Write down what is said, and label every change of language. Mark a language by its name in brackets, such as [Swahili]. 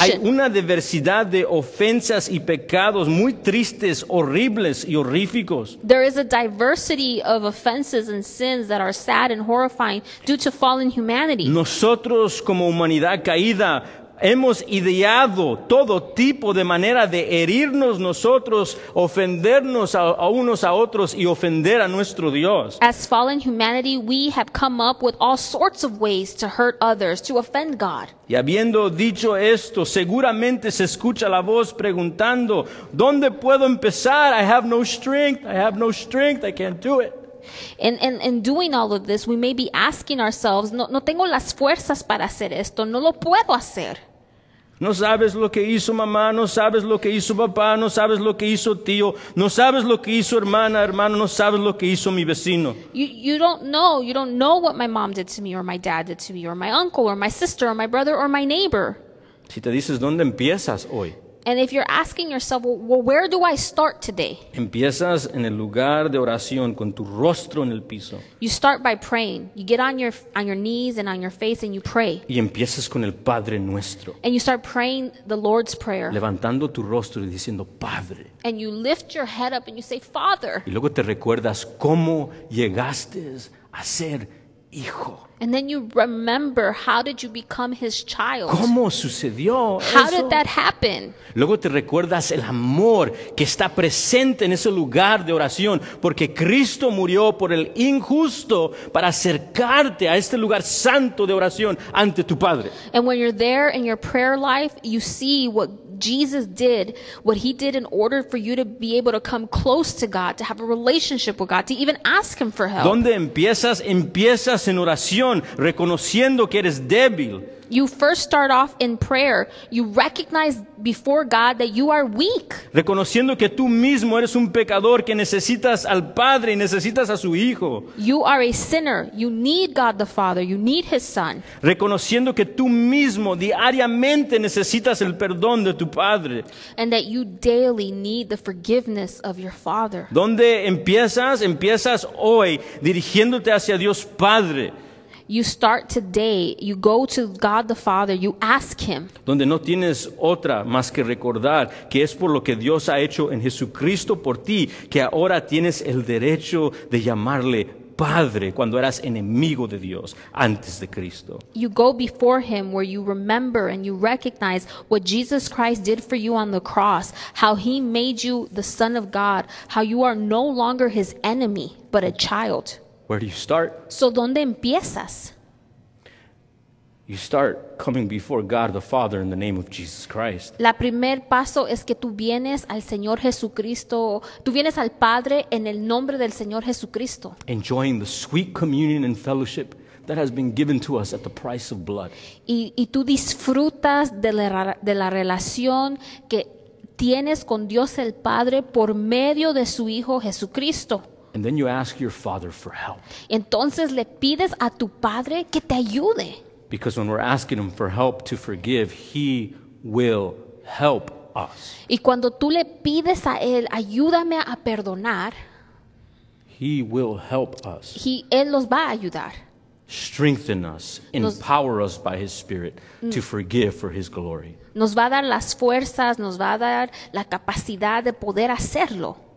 [Spanish] Hay una diversidad de ofensas y pecados muy tristes, horribles y horríficos. [English] There is a diversity of offenses and sins that are sad and horrifying due to fallen humanity. [Spanish] Nosotros como humanidad caída hemos ideado todo tipo de manera de herirnos nosotros, ofendernos a unos a otros y ofender a nuestro Dios. [English] As fallen humanity, we have come up with all sorts of ways to hurt others, to offend God. [Spanish] Y habiendo dicho esto, seguramente se escucha la voz preguntando, ¿dónde puedo empezar? [English] I have no strength, I have no strength, I can't do it. And doing all of this, we may be asking ourselves, [Spanish] no tengo las fuerzas para hacer esto, no lo puedo hacer. No sabes lo que hizo mamá, no sabes lo que hizo papá, no sabes lo que hizo tío, no sabes lo que hizo hermana, hermano, no sabes lo que hizo mi vecino. [English] You don't know what my mom did to me, or my dad did to me, or my uncle, or my sister, or my brother, or my neighbor. [Spanish] Si te dices, ¿dónde empiezas hoy? [English] And if you're asking yourself, well, where do I start today? [Spanish] Empiezas en el lugar de oración con tu rostro en el piso. [English] You start by praying. You get on your knees and on your face and you pray. [Spanish] Y empiezas con el Padre Nuestro. [English] And you start praying the Lord's Prayer. [Spanish] Levantando tu rostro y diciendo, Padre. [English] And you lift your head up and you say, Father. [Spanish] Y luego te recuerdas cómo llegaste a ser hijo. [English] And then you remember, how did you become his child? [Spanish] ¿Cómo sucedió eso? [English] How did that happen? [Spanish] Luego te recuerdas el amor que está presente en ese lugar de oración, porque Cristo murió por el injusto para acercarte a este lugar santo de oración ante tu Padre. [English] And when you're there in your prayer life, you see what Jesus did, what he did in order for you to be able to come close to God, to have a relationship with God, to even ask him for help. [Spanish] ¿Dónde empiezas? Empiezas en oración, reconociendo que eres débil. [English] You first start off in prayer. You recognize before God that you are weak. [Spanish] Reconociendo que tú mismo eres un pecador, que necesitas al Padre y necesitas a su Hijo. [English] You are a sinner. You need God the Father. You need His Son. [Spanish] Reconociendo que tú mismo diariamente necesitas el perdón de tu Padre. [English] And that you daily need the forgiveness of your Father. [Spanish] ¿Dónde empiezas? Empiezas hoy dirigiéndote hacia Dios Padre. [English] You start today, you go to God the Father, you ask Him. [Spanish] Donde no tienes otra más que recordar que es por lo que Dios ha hecho en Jesucristo por ti, que ahora tienes el derecho de llamarle Padre cuando eras enemigo de Dios antes de Cristo. [English] You go before Him where you remember and you recognize what Jesus Christ did for you on the cross, how He made you the Son of God, how you are no longer His enemy, but a child. Where do you start? [Spanish] So, ¿dónde empiezas? [English] You start coming before God the Father in the name of Jesus Christ. [Spanish] La primer paso es que tú vienes al Señor Jesucristo, tú vienes al Padre en el nombre del Señor Jesucristo. [English] Enjoying the sweet communion and fellowship that has been given to us at the price of blood. [Spanish] Y tú disfrutas de la relación que tienes con Dios el Padre por medio de su Hijo Jesucristo. [English] And then you ask your Father for help. [Spanish] Entonces le pides a tu Padre que te ayude. [English] Because when we're asking Him for help to forgive, He will help us. [Spanish] Y cuando tú le pides a Él, ayúdame a perdonar. [English] He will help us. [Spanish] Él los va a ayudar. [English] Strengthen us, empower us by His Spirit to forgive for His glory. [Spanish] Nos va a dar las fuerzas, nos va a dar la capacidad de poder hacerlo.